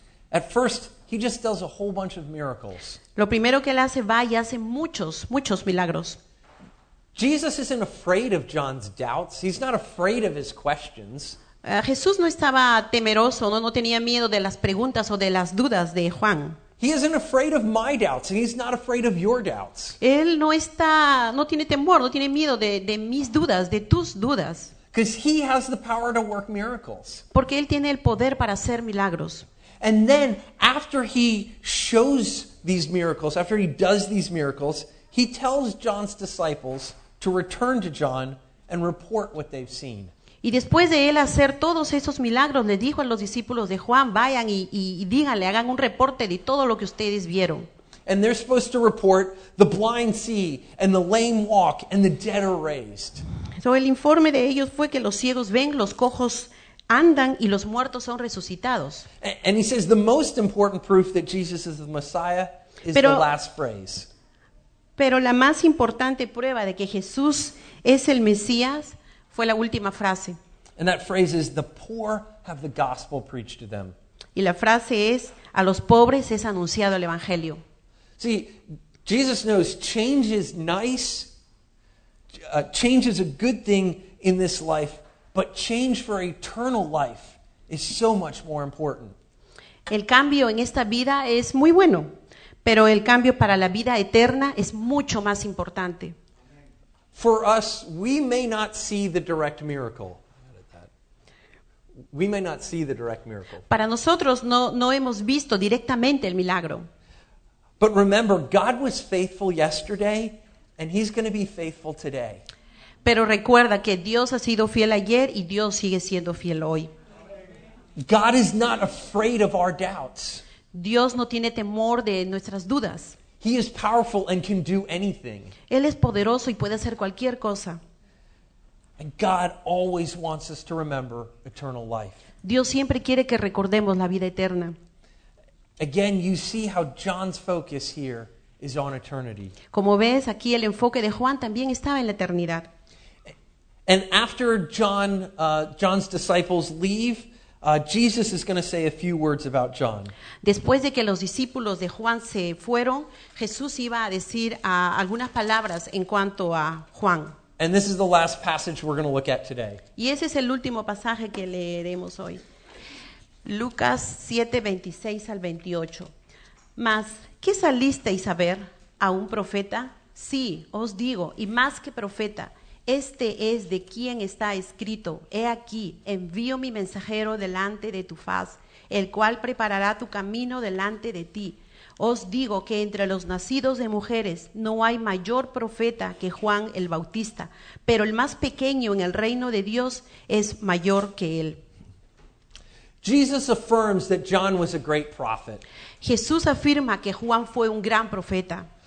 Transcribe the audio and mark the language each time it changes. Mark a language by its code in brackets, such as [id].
[en] At first he just does a whole bunch of miracles. [es] Lo primero que él hace, va y hace muchos, muchos milagros. [en] Jesus isn't afraid of John's doubts. He's not afraid of his questions. [es] Jesús no estaba temeroso, no tenía miedo de las preguntas o de las dudas de Juan. [en] He isn't afraid of my doubts, and he's not afraid of your doubts. [es] Él no tiene temor, no tiene miedo de mis dudas, de tus dudas. [en] Because he has the power to work miracles. [es] Porque él tiene el poder para hacer milagros. [en] And then, after he shows these miracles, after he does these miracles, he tells John's disciples to return to John and report what they've seen. [es] Y después de él hacer todos esos milagros, le dijo a los discípulos de Juan, vayan y díganle, hagan un reporte de todo lo que ustedes vieron. [en] And they're supposed to report the blind see, and the lame walk, and the dead are raised. [es] So el informe de ellos fue que los ciegos ven, los cojos andan, y los muertos son resucitados. [en] And he says the most important proof that Jesus is the Messiah is the last phrase. [es] Pero la más importante prueba de que Jesús es el Mesías fue la última frase. [en] And that phrase is, the poor have the gospel preached to them. [es] Y la frase es, a los pobres es anunciado el Evangelio. [en] See, Jesus knows change is nice, change is a good thing in this life, but change for eternal life is so much more important. [es] El cambio en esta vida es muy bueno, pero el cambio para la vida eterna es mucho más importante. [en] For us, we may not see the direct miracle. We may not see the direct miracle. [es] Para nosotros no hemos visto directamente el milagro. [en] But remember, God was faithful yesterday, and he's going to be faithful today. [es] Pero recuerda que Dios ha sido fiel ayer y Dios sigue siendo fiel hoy. [en] God is not afraid of our doubts. [es] Dios no tiene temor de nuestras dudas. [en] He is powerful and can do anything. [es] Él es poderoso y puede hacer cualquier cosa. [en] And God always wants us to remember eternal life. [es] Dios siempre quiere que recordemos la vida eterna. [en] Again, you see how John's focus here is on eternity. [es] Como ves, aquí el enfoque de Juan también estaba en la eternidad. [en] And after John's disciples leave, Jesus is going to say a few words about John. [es] Después de que los discípulos de Juan se fueron, Jesús iba a decir algunas palabras en cuanto a Juan. [en] And this is the last passage we're going to look at today. [es] Y ese es el último pasaje que leeremos hoy. Lucas 7:26 al 28. Mas, ¿qué salisteis a ver? ¿A un profeta? Sí, os digo, y más que profeta, este es de quien está escrito: He aquí, envío mi mensajero delante de tu faz, el cual preparará tu camino delante de ti. Os digo que entre los nacidos de mujeres no hay mayor profeta que Juan el Bautista, pero el más pequeño en el reino de Dios es mayor que él. [en] Jesus affirms that John was a great prophet. [es] Jesús afirma que Juan fue un gran profeta.